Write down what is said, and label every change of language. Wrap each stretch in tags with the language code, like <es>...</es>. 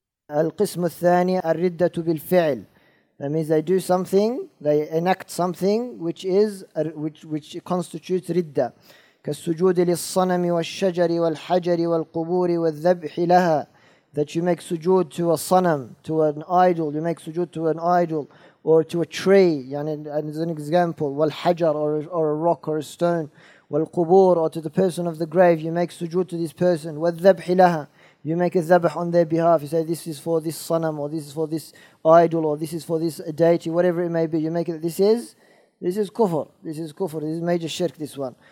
<ar>القسم الثاني الردة بالفعل.</ar> <en>That means they do something, they enact something which constitutes ردة.</en> <ar>كالسجود للصنم والشجر والحجر والقبور والذبح لها.</ar> <en>That you make sujood to a sanam, to an idol, you make sujood to an idol, or to a tree, and as an example,</en> <ar>wal hajar,</ar> <en>or a rock or a stone,</en> <ar>wal qubur,</ar> <en>or to the person of the grave, you make sujood to this person,</en> <ar>wal dhabh laha,</ar> <en>you make a dhabh on their behalf, you say this is for this sanam, or this is for this idol, or this is for this deity, whatever it may be, you make it, this is kufr, this is major shirk, this one.</en>